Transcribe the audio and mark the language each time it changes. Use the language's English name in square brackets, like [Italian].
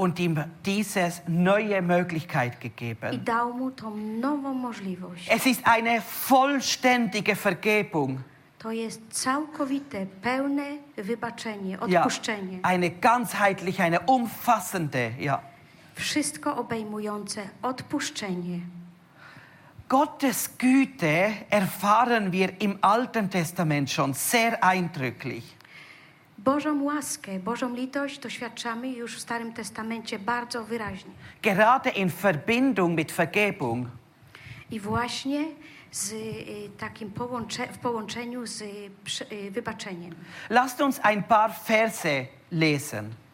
[German] Und ihm diese neue Möglichkeit gegeben. [Polish] I dał mu tą nową możliwość. [German] Es ist eine vollständige Vergebung. [Polish] To jest całkowite, pełne wybaczenie, odpuszczenie. [German] Ja, eine ganzheitliche, eine umfassende, ja. [Polish] Wszystko obejmujące odpuszczenie. [German] Gottes Güte erfahren wir im Alten Testament schon sehr eindrücklich. [Polish] Bożą łaskę, Bożą litość doświadczamy już w Starym Testamencie bardzo wyraźnie. [German] Gerade in Verbindung mit Vergebung. [Polish] I właśnie z takim w połączeniu z wybaczeniem. [German] Lasst uns ein paar Verse lesen.